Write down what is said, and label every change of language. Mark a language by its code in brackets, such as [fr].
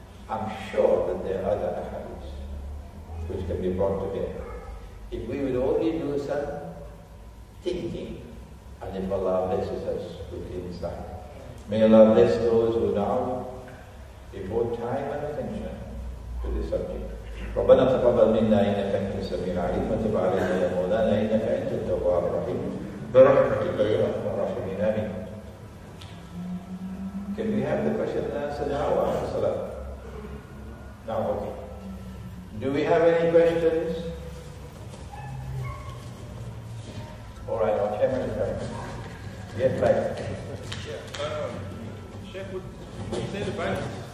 [en] I'm sure that there are other hadiths which can be brought together. If we would only do some thinking, and if Allah blesses us with insight. May Allah bless those who now devote time and attention to this subject. [ar] ربنا تقبل منا انك انت السميع العليم وتب علينا يا مولانا انك انت التواب الرحيم برحمتك يا ارحم الراحمين امين. [en] Can we have the question and answer now after salah? Now, okay. Do we have any questions? All right, our chairman is coming. Yes, right. Yeah, Chef, would you say the balance?